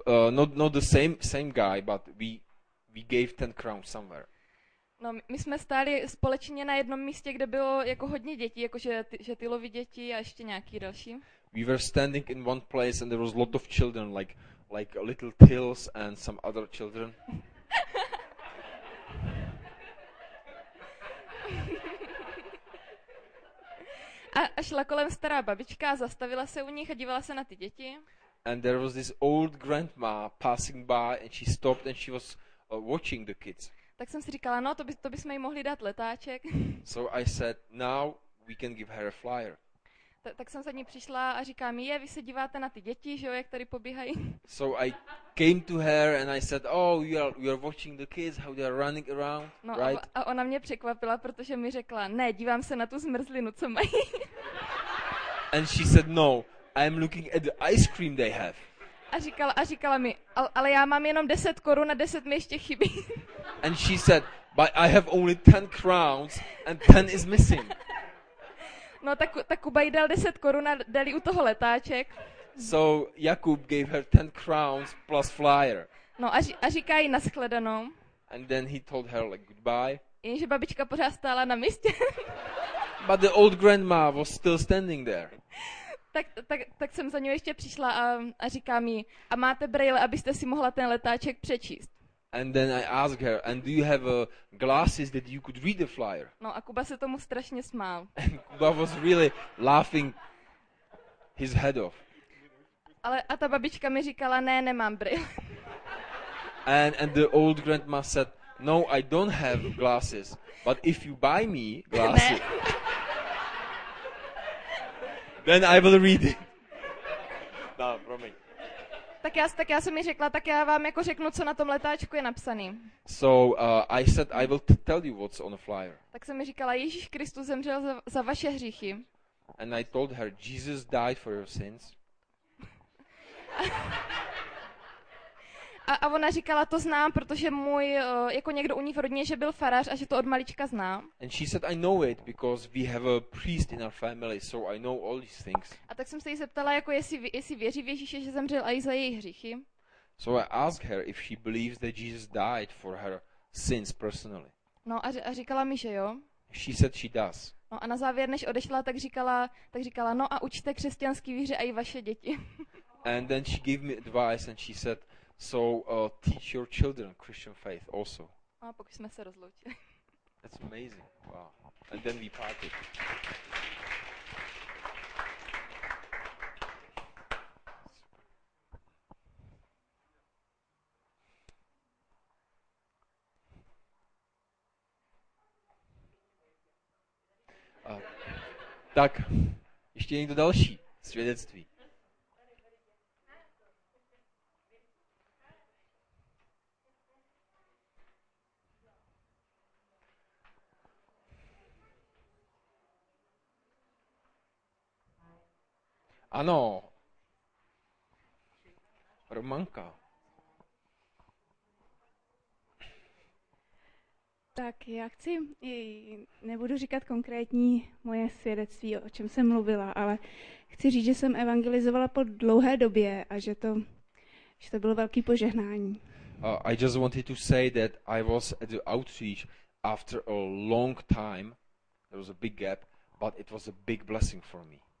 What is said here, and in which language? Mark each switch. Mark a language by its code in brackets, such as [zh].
[en] Not the same guy, but we gave 10 crowns somewhere. [cs] No, my jsme stáli společně na jednom místě, kde bylo jako hodně dětí, jakože že Tylovi děti a ještě nějaký další. [en] We were standing in one place and there was a lot of children, like little Tills and some other children. [cs] A šla kolem stará babička, zastavila se u nich a dívala se na ty děti. [en] And there was this old grandma passing by and she stopped and she was watching the kids. [cs] Tak jsem si říkala, no, to bychom jí mohli dát letáček. [en] So I said, now we can give her a flyer. [cs] Tak jsem za ní přišla a říkám, je, vy se díváte na ty děti, že jo, jak tady pobíhají. [en] So I came to her and I said, oh, you are watching the kids, how they are running around, no, right? [cs] A ona mě překvapila, protože mi řekla, ne, dívám se na tu zmrzlinu, co mají. [en] And she said, no, I'm looking at the ice cream they have. [cs] A říkala mi, ale já mám jenom 10 korun a 10 mi ještě chybí. [en] And she said, but I have only 10 crowns and 10 is missing. [cs] No, tak Kuba jí dal 10 korun a dali u toho letáček. [en] So Jakub gave her 10 crowns plus flyer. [cs] No a říká jí naschledanou. [en] And then he told her like goodbye. [cs] Jenže babička pořád stála na místě. [en] But the old grandma was still standing there. [cs] Tak jsem za ní ještě přišla a říkám jí, a máte brýle, abyste si mohla ten letáček přečíst. [en] And then I asked her, and do you have glasses that you could read the flyer? [cs] No, a Kuba se tomu strašně smál. [en] And Kuba was really laughing his head off. [cs] Ale a ta babička mi říkala, ne, nemám brýle. [en] And the old grandma said, no, I don't have glasses, but if you buy me glasses, then I will read it. [cs] No, promiň. Tak já jsem mi řekla, tak já vám jako řeknu, co na tom letáčku je napsaný. [en] So I said I will tell you what's on the flyer. [cs] Tak jsem mi říkala, Ježíš Kristus zemřel za vaše hříchy. [en] And I told her Jesus died for your sins. [cs] A ona říkala, to znám, protože můj jako někdo u ní v rodině, že byl farář a že to od malička znám. [en] And she said I know it because we have a priest in our family, so I know all these things. [cs] A tak jsem se jí zeptala, jako jestli věří v Ježíše, že zemřel a i za její hříchy. [en] So I asked her if she believes that Jesus died for her sins personally. [cs] No a říkala mi, že jo. [en] She said she does. [cs] No a na závěr, než odešla, tak říkala, no a učte křesťanský víře a i vaše děti. [en] And then she gave me advice and she said, so teach your children Christian faith also. [cs] A pokud jsme se rozloučili. [en] That's amazing. Wow. And then we parted. [cs] Tak, ještě někdo další svědectví. Ano. Romanka. Tak já chci, nebudu říkat konkrétní moje svědectví, o čem jsem mluvila, ale chci říct, že jsem evangelizovala po dlouhé době a že to bylo velký požehnání. [en] I just wanted to say that I was at the outreach after a long time. There was a big gap, but it was a big blessing for me.